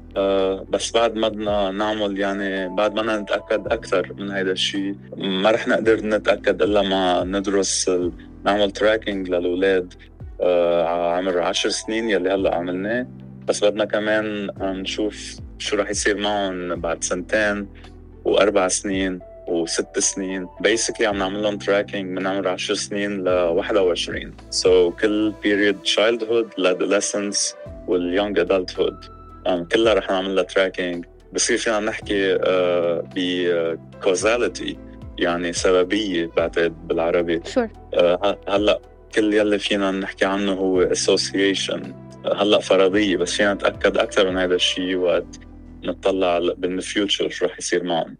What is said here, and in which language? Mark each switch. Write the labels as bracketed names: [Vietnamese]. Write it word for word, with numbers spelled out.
[Arabic] أه بس بعد ما بدنا نعمل يعني بعد ما بدنا نتأكد أكثر من هذا الشيء ما رح نقدر نتأكد إلا ما ندرس نعمل تراكينج للأولاد أه عمر عشر سنين يلي هلأ عملناه، بس بدنا كمان نشوف شو رح يصير معهم بعد سنتين وأربع سنين وست سنين. [English] basically [Arabic] عم نعمل لهم tracking من عمر عشر سنين لواحد وعشرين. [English] so [Arabic] كل [English] period childhood adolescence والyoung adulthood um, [Arabic] كلها رح نعمل لها [English] tracking. [Arabic] بصير فينا نحكي uh, ب uh, causality يعني سببية بعتقد بالعربي. [English] sure. [Arabic] uh, هلأ كل يلي فينا نحكي عنه هو association uh, هلأ فرضية بس فينا نتأكد أكثر من هذا الشيء وقت نطلع بالفيوتشر شو رح يصير معهم.